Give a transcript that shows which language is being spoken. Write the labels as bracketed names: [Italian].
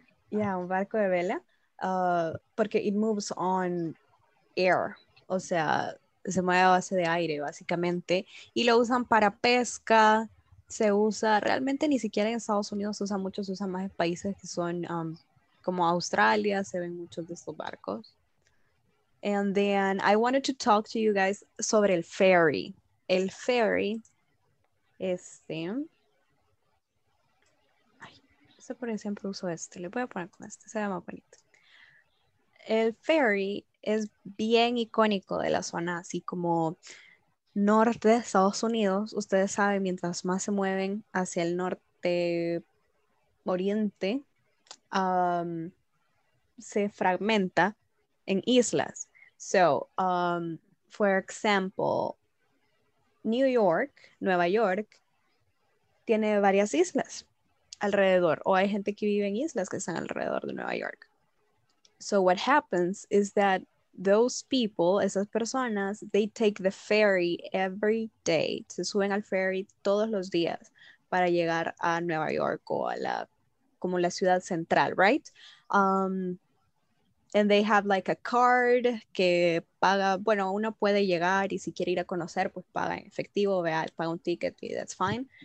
[Spanish] Yeah, un barco de vela. Porque [English] it moves on air. [Spanish] O sea, se mueve a base de aire, básicamente. Y lo usan para pesca. Se usa, realmente ni siquiera en Estados Unidos se usa mucho. Se usa más en países que son como Australia. Se ven muchos de estos barcos. [English] And then I wanted to talk to you guys [Spanish] sobre el ferry. El ferry, este. Ay, este por ejemplo uso este. Le voy a poner con este, se ve más bonito. El ferry es bien icónico de la zona. Así como norte de Estados Unidos, ustedes saben, mientras más se mueven hacia el norte oriente, se fragmenta en islas. [English] So, for example, [Spanish] New York, Nueva York, tiene varias islas alrededor. O hay gente que vive en islas que están alrededor de Nueva York. [English] So what happens is that those people, [Spanish] esas personas, [English] they take the ferry every day. [Spanish] Se suben al ferry todos los días para llegar a Nueva York o a la, como la ciudad central, right? [English] And they have like a card [Spanish] que paga, bueno, uno puede llegar y si quiere ir a conocer, pues paga en efectivo, vea, paga un ticket y [English] that's fine.